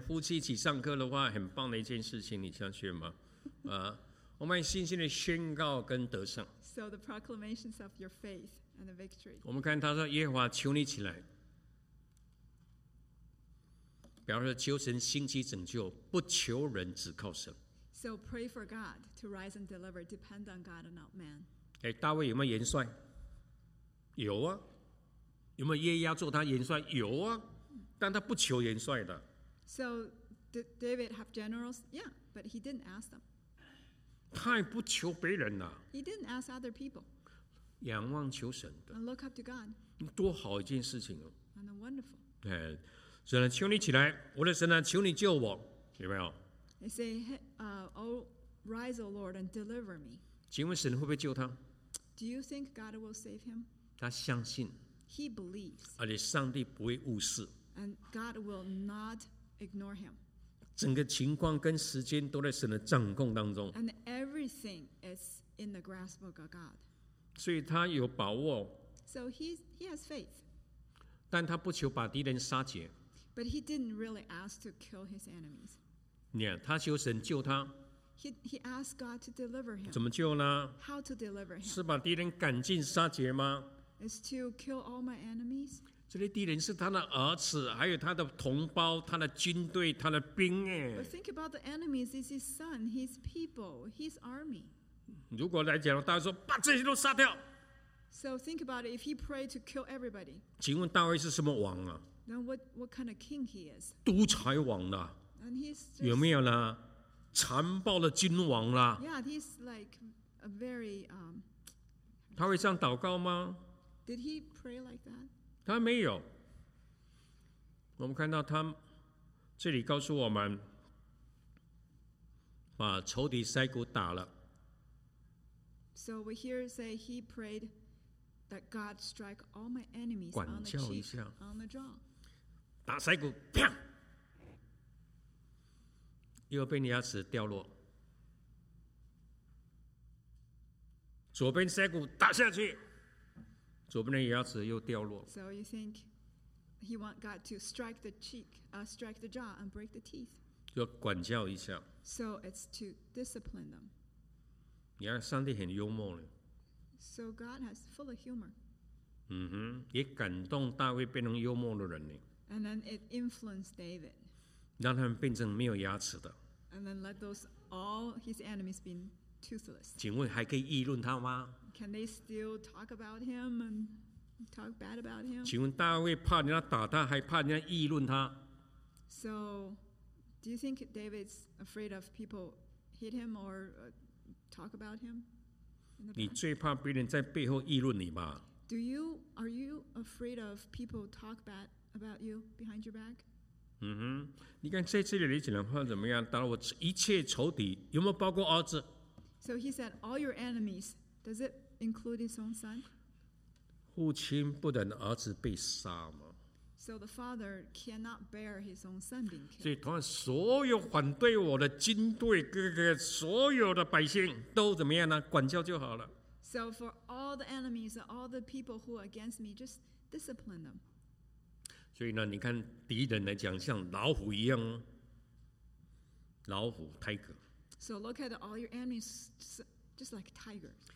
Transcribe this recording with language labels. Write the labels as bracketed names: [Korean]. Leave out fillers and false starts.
[Chinese] 夫妻一起上课的话，很棒的一件事情，你相信吗？啊，我们信心的宣告跟得胜。 [English] So the proclamations of your faith and the victory。 [Chinese] 我们看他说：“耶和华，求你起来。” 比方说，求神兴起拯救，不求人，只靠神。 [English] So pray for God to rise and deliver. Depend on God and not man. [Chinese] 哎，大卫有没有元帅？有啊。有没有耶押做他元帅？有啊。但他不求元帅的。 [English] So did David have generals? Yeah, but he didn't ask them. [Chinese] 他也不求别人呐。 [English] He didn't ask other people. [Chinese] 仰望求神的。 [English] And look up to God. [Chinese] 多好一件事情哦。 [English] And wonderful. [Chinese] 哎，神啊，求你起来，我的神啊，求你救我，有没有？ [English] They say, rise, O Lord, and deliver me. [Chinese] 请问神会不会救他？ [English] Do you think God will save him? [Chinese] 他相信。 [English] He believes. [Chinese] 而且上帝不会误事。 [English] And God will not ignore him. [Chinese] 整个情况跟时间都在神的掌控当中。 [English] And everything is in the grasp of God. [Chinese] 所以他有把握。 [English] So he has faith. [Chinese] 但他不求把敌人杀绝。 [English] But he didn't really ask to kill his enemies. [Chinese] Yeah, 他求神救他 [English] he asked God to deliver him. [Chinese] 怎么救呢 [English] How to deliver him? [Chinese] 是把敌人赶尽杀绝吗 [English] Is to kill all my enemies? [Chinese] 这些敌人是他的儿子还有他的同胞他的军队他的兵 [English] But think about the enemies. It's his son, his people, his army. [Chinese] 如果来讲大卫说把这些都杀掉 [English] So think about it. If he prayed to kill everybody. [Chinese] 请问大卫是什么王啊 [English] Then what kind of king he is? [Chinese] 独裁王啊 [English] And he's just, [Chinese] 有没有啦？残暴的君王啦 [English] ！Yeah, he's like a very. [Chinese] 他会这样祷告吗 [English] ？Did he pray like that? [Chinese] 他没有。我们看到他这里告诉我们，把仇敌腮骨打了。 [English] So we hear say he prayed that God strike all my enemies on the cheek, on the jaw. [Chinese] 打腮骨，啪！右边牙齿掉落，左边腮骨打下去，左边的牙齿又掉落。 [English] So you think he want God to strike the cheek, strike the jaw and break the teeth? [Chinese] 就管教一下。 [English] So it's to discipline them. [Chinese] 你看上帝很幽默的。 [English] So God has full of humor. [Chinese] 嗯哼，也感动大卫变成幽默的人呢。 [English] And then it influenced David. [Chinese] 让他们变成没有牙齿的。 [English] And then let those all his enemies be toothless. [Chinese] 请问还可以议论他吗 [English] ？Can they still talk about him and talk bad about him？ [Chinese] 请问大卫怕人家打他，还怕人家议论他 [English] ？So, do you think David's afraid of people hit him or talk about him？ [Chinese] 你最怕别人在背后议论你吧 [English] ？Do you are you afraid of people talk bad about you behind your back？ [Chinese] 嗯哼，你看在这里的讲话怎么样？打我一切仇敌，有没有包括儿子 [English] ？So he said, all your enemies. Does it include his own son? [Chinese] 父亲不能儿子被杀吗 [English] ？So the father cannot bear his own son being killed. [Chinese] 所以同样，所有反对我的军队，各个所有的百姓都怎么样呢？管教就好了。 [English] So for all the enemies, all the people who are against me, just discipline them. [Chinese] 所以呢，你看敌人来讲，像老虎一样，老虎 tiger。 [English] So look at all your enemies, just like tiger.